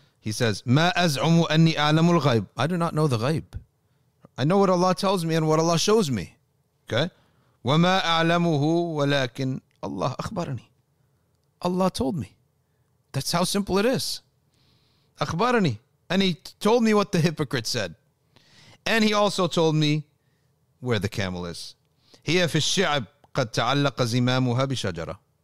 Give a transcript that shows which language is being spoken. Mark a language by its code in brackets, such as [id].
[en] He says, [ar] ما أزعم أني أعلم الغيب. [en] I do not know the ghaib. I know what Allah tells me and what Allah shows me. Okay? [ar] وما أعلمه ولكن Allah أخبرني. [en] Allah told me. That's how simple it is. أخبرني. And he told me what the hypocrite said. And he also told me where the camel is. [ar] هي في الشعب قد تعلق زمامها بشجرة.